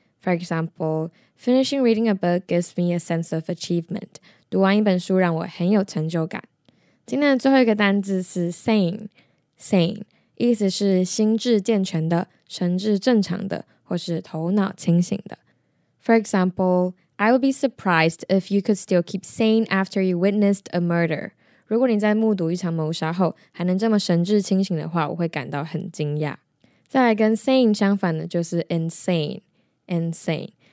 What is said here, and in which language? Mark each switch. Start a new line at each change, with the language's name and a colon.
English: For example, finishing reading a book gives me a sense of achievement.
Chinese: 读完一本书让我很有成就感。今天的最后一个单字是 sane， sane， 意思是心智健全的， 神智正常的， 或是头脑清醒的。
English: For example, I would be surprised if you could still keep sane after you witnessed a murder.
Chinese: 如果你在目睹一场谋杀后还能这么神志清醒的话，我会感到很惊讶。再来跟sane相反的就是 insane, insane.